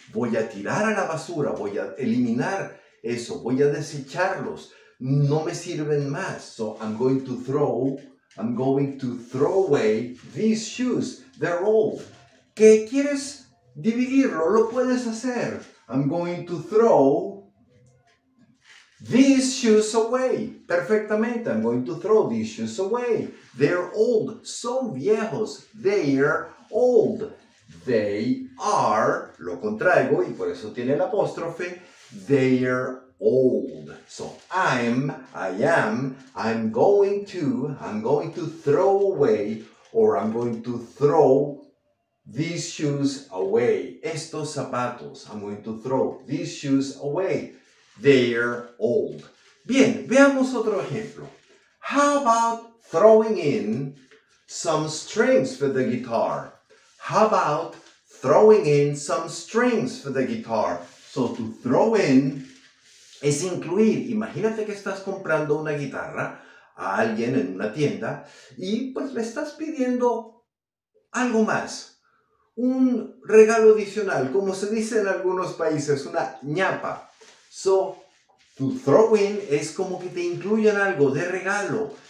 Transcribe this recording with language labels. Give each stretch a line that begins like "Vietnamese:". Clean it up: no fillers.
Spanish: Voy a tirar a la basura, voy a eliminar eso, voy a desecharlos. No me sirven más.
English: So I'm going to throw away these shoes. They're old.
Spanish: ¿Qué quieres dividirlo? Lo puedes hacer.
English: I'm going to throw these shoes away.
Spanish: Perfectamente.
English: I'm going to throw these shoes away. They're old,
Spanish: son viejos,
English: they're old. They are,
Spanish: lo contraigo y por eso tiene el apóstrofe,
English: they're old. So I am, I'm going to throw away or I'm going to throw these shoes away.
Spanish: Estos zapatos,
English: I'm going to throw these shoes away. They're old.
Spanish: Bien, veamos otro ejemplo.
English: How about throwing in some strings for the guitar. How about throwing in some strings for the guitar? So
Spanish: to throw in es incluir. Imagínate que estás comprando una guitarra a alguien en una tienda y pues le estás pidiendo algo más, un regalo adicional, como se dice en algunos países, una ñapa. So to throw in es como que te incluyen algo de regalo.